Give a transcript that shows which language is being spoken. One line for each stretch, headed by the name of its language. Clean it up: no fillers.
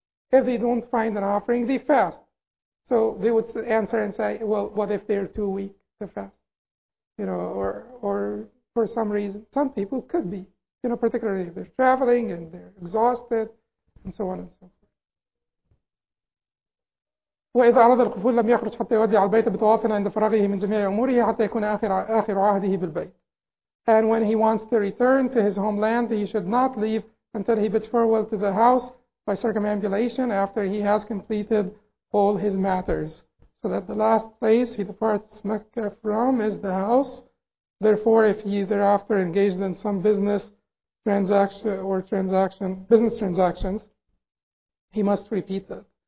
English: If they don't find an offering, they fast. So they would answer and say, well, what if they're too weak to fast? You know, or for some reason, some people could be, you know, particularly if they're traveling and they're exhausted and so on and so forth.
Arabic: وإذا أراد القفول لم يخرج حتى يودع البيت بطوافا عند فراغه من جميع أموره حتى يكون آخر عهده بالبيت.
English: And when he wants to return to his homeland, he should not leave until he bids farewell to the house by circumambulation after he has completed all his matters. So that the last place he departs Mecca from is the house. Therefore, if he thereafter engaged in some business transaction or business transactions, he must repeat it.